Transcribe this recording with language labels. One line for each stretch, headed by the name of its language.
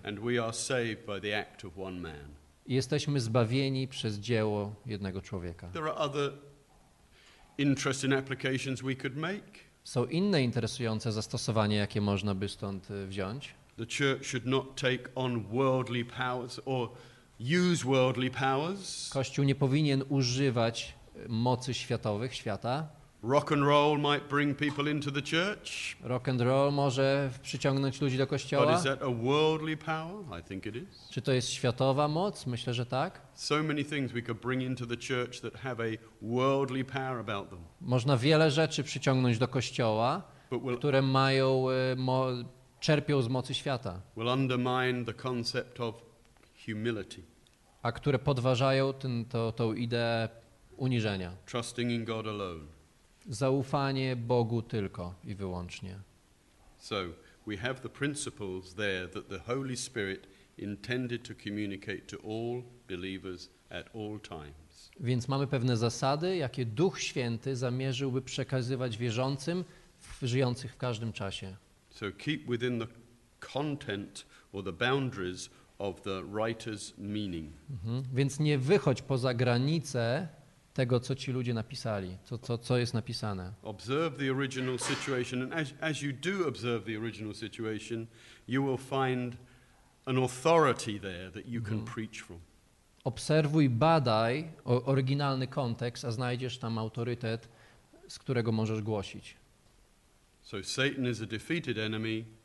English: And we are saved by the act of one man.
Polish: Jesteśmy zbawieni przez dzieło jednego człowieka.
English: There are other interesting applications we could make.
Polish: Są inne interesujące zastosowania, jakie można by stąd wziąć.
English: The church should not take on worldly powers or use worldly powers.
Polish: Kościół nie powinien używać mocy światowych, świata.
English: Rock and roll might bring people into the church.
Polish: Rock and roll może przyciągnąć ludzi do kościoła.
English: But is that a worldly power? I think it is.
Polish: Czy to jest światowa moc? Myślę, że tak.
English: So many things we could bring into the church that have a worldly power about them.
Polish: Można wiele rzeczy przyciągnąć do kościoła, które mają czerpią z mocy świata.
English: Will undermine the concept of humility.
Polish: A które podważają tą ideę uniżenia.
English: Trusting in God alone.
Polish: Zaufanie Bogu tylko i wyłącznie.
English: So we have the principles there that the Holy Spirit intended to communicate to all believers at all times.
Polish: Więc mamy pewne zasady, jakie Duch Święty zamierzyłby przekazywać wierzącym, żyjących w każdym czasie.
English: So keep within the content or the boundaries of the writer's meaning. Mm-hmm.
Polish: Więc nie wychodź poza granice tego, co ci ludzie napisali, co jest napisane.
English: Observe the original situation, and as you do observe the original situation, you will find an authority there that you can preach from.
Polish: Obserwuj, badaj oryginalny kontekst, a znajdziesz tam autorytet, z którego możesz głosić.
English: So Satan is a defeated enemy.